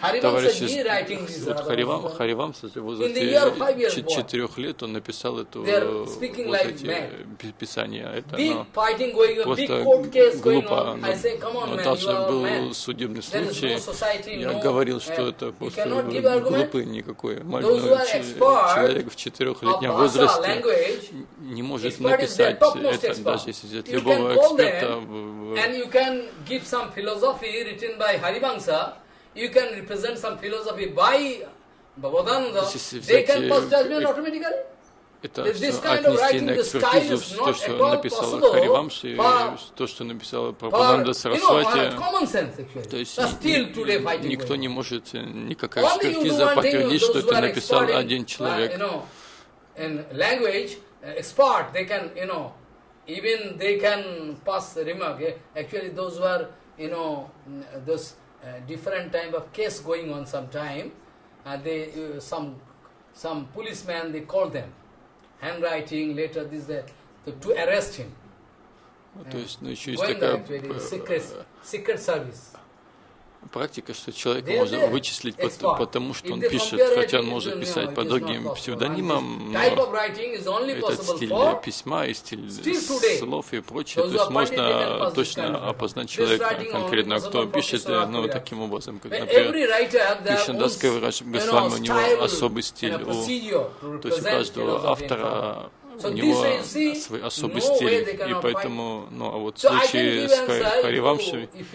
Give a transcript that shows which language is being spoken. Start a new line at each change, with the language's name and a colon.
Russian: товарищи вот Харивамса в возрасте 4 лет он написал эту вот эти писания это просто глупо но даже был судебный случай я говорил что это просто глупый никакой человек в 4-летнем возрасте не может написать это даже если взять любого эксперта
English: give some philosophy written by Harivamsa, you can represent some philosophy by Bhavadananda, they can pass judgment automatically.
Russian: Это отнести на экспертизу то, что написала Харивамса и то, что написала Прабхудананда Сарасвати. То есть никто не может, никакая экспертиза подтвердить, что это написал один человек.
English: In language, expert, they can, you know, even they can pass remark. Actually, those were, you know, those different type of case going on sometime. They some policeman they call them, handwriting later this that to arrest him.
Russian: То есть, ну еще есть такая
English: secret service.
Russian: Практика, что человек можно вычислить потому, что он пишет, хотя он может писать под другим псевдонимом, но этот стиль письма и стиль слов и прочее, то есть можно точно опознать человека конкретно, кто пишет, но таким образом, как, например, Кришнадас Кавираж Госвами, у него особый стиль, то есть у каждого автора у него свой особый стиль, и поэтому, ну а вот в случае с Харивамшей,